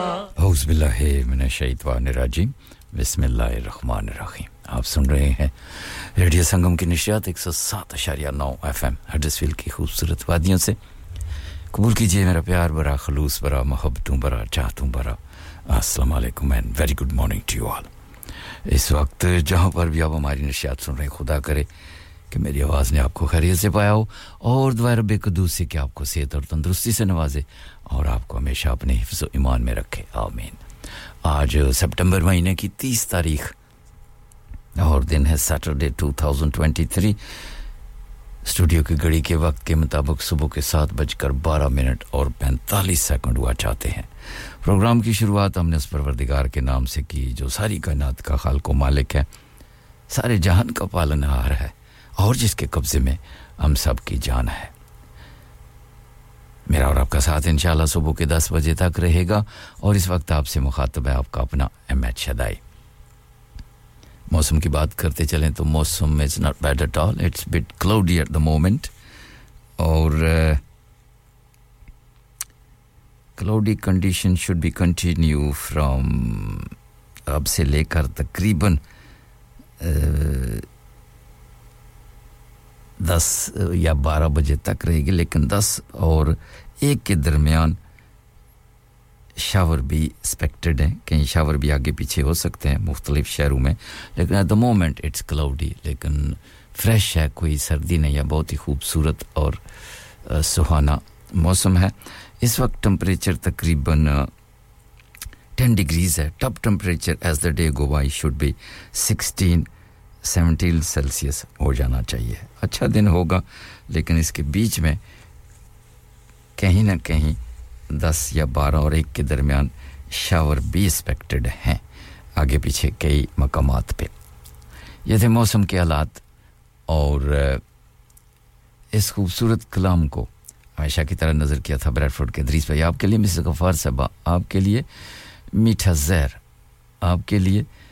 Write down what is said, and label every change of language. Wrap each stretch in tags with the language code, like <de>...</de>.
<ur>اعوذ باللہ من الشیطان الرجیم بسم اللہ الرحمن الرحیم آپ سن رہے ہیں ریڈیو سنگم کی نشریات 107.9 ایف ایم ہڈرسفیلڈ کی خوبصورت وادیوں سے قبول کیجئے میرا پیار برا خلوص برا محبتوں برا چاہتوں برا السلام علیکم</ur> <en>and very good morning to you all.</en> <ur>اس وقت جہاں پر بھی آپ ہماری نشیات سن رہے ہیں خدا کرے کہ میری آواز نے آپ کو خیریت سے پایا ہو اور دعائے رب قدوس سے کہ آپ کو صحت اور تندرستی سے نوازے اور آپ کو ہمیشہ اپنے حفظ و ایمان میں رکھے آمین. آج سپٹمبر مہینے کی 30 تاریخ اور دن ہے سیٹرڈے 2023. اسٹوڈیو کی گھڑی کے وقت کے مطابق صبح کے 7:12 اور 45 سیکنڈ ہوا چاہتے ہیں. پروگرام کی شروعات ہم نے اس پروردگار کے نام سے کی جو ساری کائنات کا خالق و مالک ہے, سارے جہان کا پالنہار ہے اور جس کے قبضے میں ہم سب کی جان ہے. میرا اور آپ کا ساتھ انشاءاللہ صبح کے 10 تک رہے گا اور اس وقت آپ سے مخاطب ہے آپ کا اپنا ایم ایچ شدائی. موسم کی بات کرتے چلیں تو</ur> <en>موسم is not bad at all, it's a bit cloudy at the moment.</en> <ur>اور</ur> <en>cloudy condition should be continue</en> <ur>from اب سے لے کر تقریباً 10 یا 12 بجے تک رہے گی, لیکن 10 اور 1 کے درمیان شاور بھی ایکسپیکٹڈ ہیں, کہیں شاور بھی آگے پیچھے ہو سکتے ہیں مختلف شہروں میں, لیکن</ur> <en>at the moment it's cloudy,</en> <ur>لیکن فریش ہے, کوئی سردی نہیں ہے, بہت ہی خوبصورت اور سہانا موسم ہے. اس وقت ٹمپریچر تقریباً 10 ڈگریز ہے.</ur> <en>top temperature as the day go by should be 16-17 Celsius</en> <ur>ہو جانا چاہیے. اچھا دن ہوگا لیکن اس کے بیچ میں کہیں نہ کہیں 10 یا 12 اور 1 کے درمیان شاور بھی ایکسپیکٹڈ ہیں آگے پیچھے کئی مقامات پہ. یہ تھے موسم کے حالات اور اس خوبصورت کلام کو ہمیشہ کی طرح نظر کیا تھا بریڈفورڈ کے ادریس بھائی. آپ کے لیے مسز غفار صاحب, آپ کے لیے میٹھا زہر, آپ کے لیے</ur>